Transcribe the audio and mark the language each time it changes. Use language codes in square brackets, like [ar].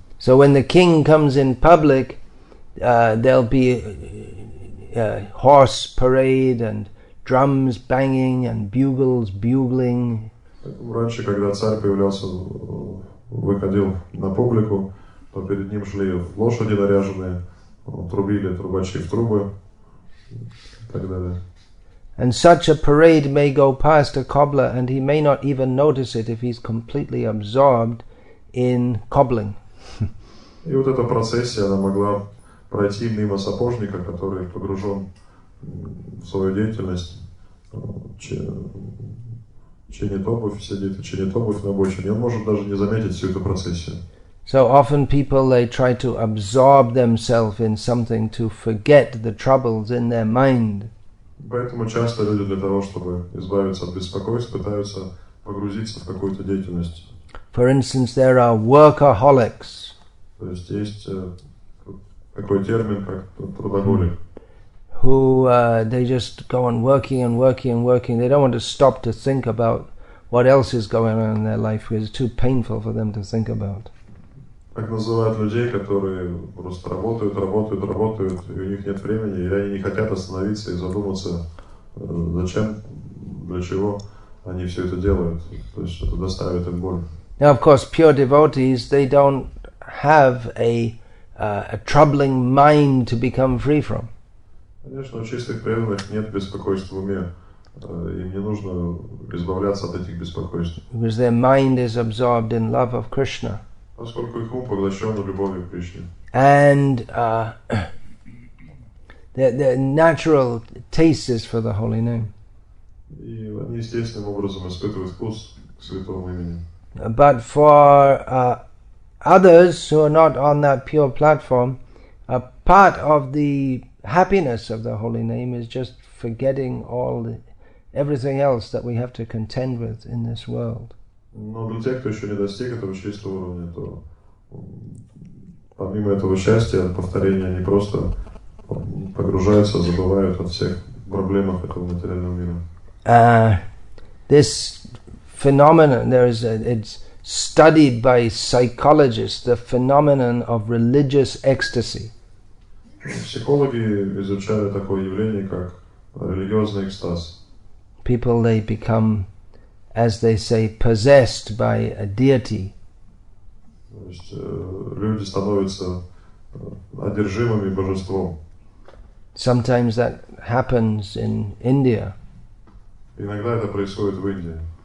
[en] So when the king comes in public, there'll be a horse parade and drums banging and bugles bugling. [ru] Раньше, когда царь появлялся, выходил на публику, то перед ним шли лошади наряженные, трубили трубачи в трубы и так далее. [en] And such a parade may go past a cobbler, and he may not even notice it if he's completely absorbed in cobbling. [ru] И вот эта процессия, она могла пройти мимо сапожника, который погружен в свою деятельность, чинит обувь, сидит и чинит обувь на обочине. Он может даже не заметить всю эту процессию. [en] So often people, they try to absorb themselves in something to forget the troubles in their mind. [ru] Поэтому часто люди для того, чтобы избавиться от беспокойств, пытаются погрузиться в какую-то деятельность. [en] For instance, there are workaholics. [ru] То есть есть такой термин, как трудоголик. [en] Who they just go on working and working and working. They don't want to stop to think about what else is going on in their life, because it's too painful for them to think about. [ru] Так называют людей, которые просто работают, работают, работают, и у них нет времени, и они не хотят остановиться и задуматься, зачем, для чего они все это делают. То есть это доставит им боль. [en] Now, of course, pure devotees, they don't have a troubling mind to become free from. [ru] Конечно, у чистых преданных нет беспокойств в уме. Им не нужно избавляться от этих беспокойств. [en] Because their mind is absorbed in love of Krishna. [ru] Поскольку их ум поглощен любовью к Кришне. [en] And the natural taste is for the holy name. [ru] И они естественным образом испытывают вкус к святому имени. [en] But for others who are not on that pure platform, a part of the happiness of the holy name is just forgetting all the, everything else that we have to contend with in this world. [ru] Но для тех, кто еще не достиг этого чистого уровня, то помимо этого счастья, повторения, они просто погружаются, забывают о всех проблемах этого материального мира. [en] This phenomenon, it's studied by psychologists, the phenomenon of religious ecstasy. [ru] Психологи изучали такое явление, как религиозный экстаз. [en] People, they become, as they say, possessed by a deity. [ru] То есть люди становятся одержимыми божеством. [en] Sometimes that happens in India. [ru] Иногда это происходит в Индии.